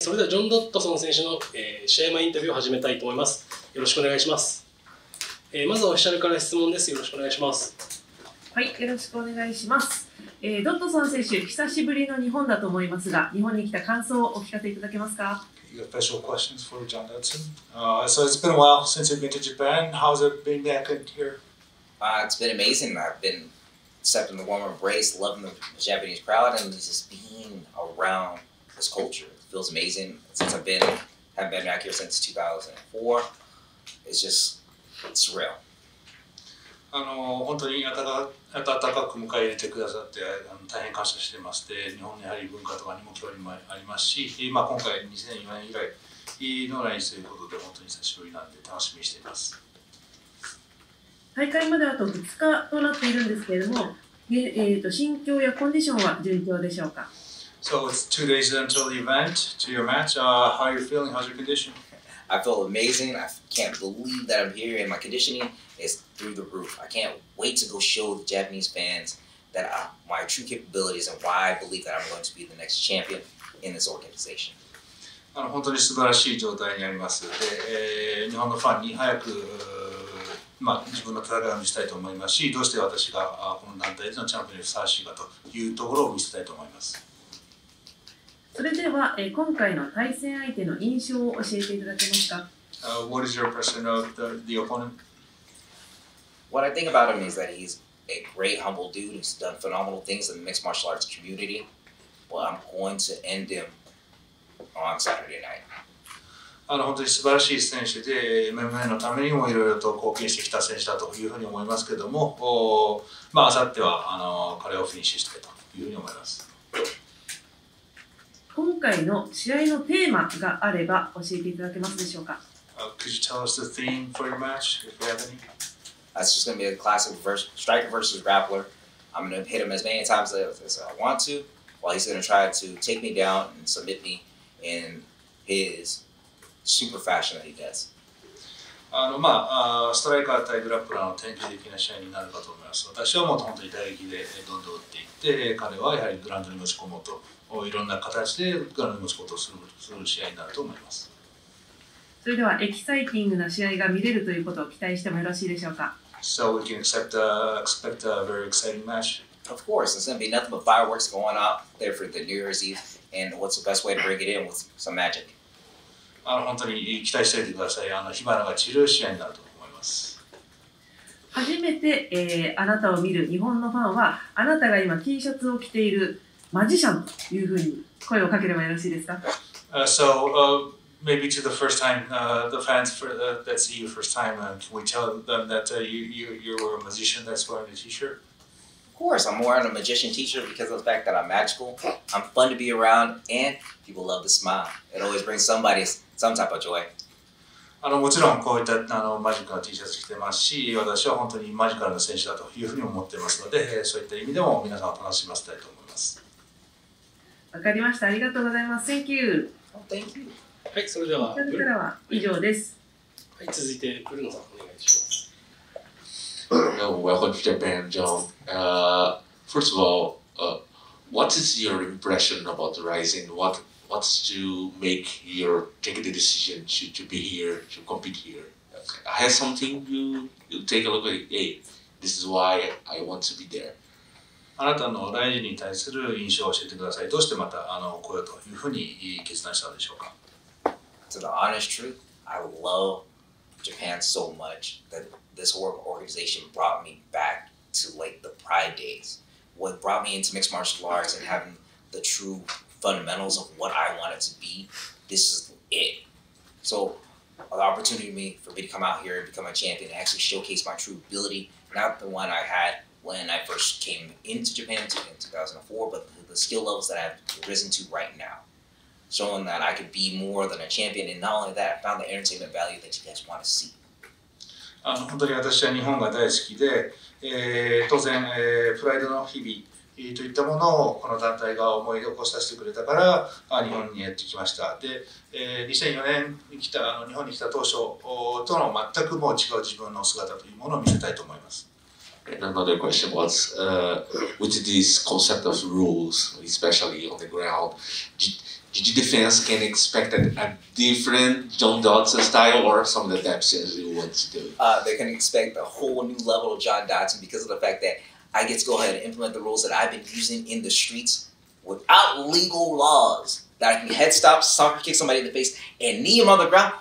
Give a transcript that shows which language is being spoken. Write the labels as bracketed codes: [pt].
[ja] それではジョン・ドッドソン選手の、試合前インタビューを始めたいと思います。よろしくお願いします。まずはオフィシャルから質問です。よろしくお願いします。はい、よろしくお願いします。ドッドソン選手、久しぶりの日本だと思いますが、日本に来た感想をお聞かせいただけますか？ [en] You have special questions for John Dodson. So it's been a while since you've been to Japan. How's it been back here? It's been amazing. I've been accepting the warm embrace, loving the Japanese crowd, and just being around this culture. It feels amazing. Since I've been, haven't been back here since 2004. It's just, it's surreal. [ja] あの本当に温かく迎え入れてくださって大変感謝してまして、日本のやはり文化とかにも興味もありますし、まあ、今回2004年以来の来日ということで本当に久しぶりなんで楽しみにしています。大会まであと2日となっているんですけれども、心境やコンディションは順調でしょうか？ [en] So it's 2 days until the event to your match. How are you feeling? How's your condition? I feel amazing. I can't believe that I'm here and my conditioningIt's through the roof. I can't wait to go show the Japanese fans that my true capabilities and why I believe that I'm going to be the next champion in this organization. [ja] 本当に素晴らしい状態にあります。で、日本のファンに早く、まあ、自分の戦いを見せたいと思いますし、どうして私がこの団体でのチャンピオンにふさわしいかというところを見せたいと思います。それでは、今回の対戦相手の印象を教えていただけますか？ [en] What is your impression of the opponent? What I think about him is that he's a great, humble dude who's done phenomenal things in the mixed martial arts community. But I'm going to end him on Saturday night. [ja] 本当に素晴らしい選手で、MMA のためにもいろいろと貢献してきた選手だというふうに思いますけども、まあ、あさっては彼をフィニッシュしたいというふうに思います。今回の試合のテーマがあれば教えていただけますでしょうか？ [en] Could you tell us the theme for your match, if you have any? That's just going to be a classic striker versus grappler. I'm going to hit him as many times as I want to, while he's going to try to take me down and submit me in his super fashion that he does. [ja] Striker 対グラップラーの典型的な試合になるかと思います。私はもっと本当に打撃でどんどん打っていって、彼はやはりグラウンドに持ち込もうと、いろんな形でグラウンドに持ち込もうとする試合になると思います。それではエキサイティングな試合が見れるということを期待してもよろしいでしょうか？ [en] So we can expect a very exciting match. Of course, there's going to be nothing but fireworks going out there for the New Year's Eve. And what's the best way to bring it in with some magic? [ja] 本当に期待していてください。火花が散る試合になると思います。初めて、あなたを見る日本のファンは、あなたが今 T シャツを着ているマジシャンというふうに声をかければよろしいですか？ [en] Maybe to the first time, the fans for, that see you first time, can we tell them that you're a magician that's wearing a t-shirt? Of course, I'm wearing a magician t-shirt because of the fact that I'm magical, I'm fun to be around, and people love to smile. It always brings somebody some type of joy. [ja] もちろんこういったマジカルの T シャツ着てますし、私は本当にマジカルの選手だというふうに思ってますので、そういった意味でも皆さんを楽しませたいと思います。わかりました。ありがとうございます。 [en] Thank you. Thank you. [ja] はい、それではからは以上です。はい、続いてブルノさんお願いします [en] 。 Welcome to Japan, John. First of all, what is your impression about the Rizin? What's to make your take the decision to be here, to compete here? I have something you take a look at. Hey, this is why I want to be there. [ja] あなたのライジンに対する印象を教えてください。どうしてまた来ようというふうに決断したでしょうか？ [en] To the honest truth, I love Japan so much that this organization brought me back to like the pride days. What brought me into mixed martial arts and having the true fundamentals of what I wanted to be, this is it. So the opportunity for me to come out here and become a champion and actually showcase my true ability, not the one I had when I first came into Japan in 2004, but the skill levels that I've risen to right now. Showing that I could be more than a champion, and not only that, I found the entertainment value that you guys want to see. [ja] 本当に私は日本が大好きで、当然、プライドの日々といったものをこの団体が思い起こさせてくれたから、日本にやってきました。で、2004年に来た日本に来た当初との全くもう違う自分の姿というものを見せたいと思います。 [en] And another question was, with this concept of rules, especially on the ground, did defense can expect a different John Dodson style or some of the adaptations you want to do? They can expect a whole new level of John Dodson because of the fact that I get to go ahead and implement the rules that I've been using in the streets without legal laws, that I can head stop, soccer kick somebody in the face, and knee him on the ground.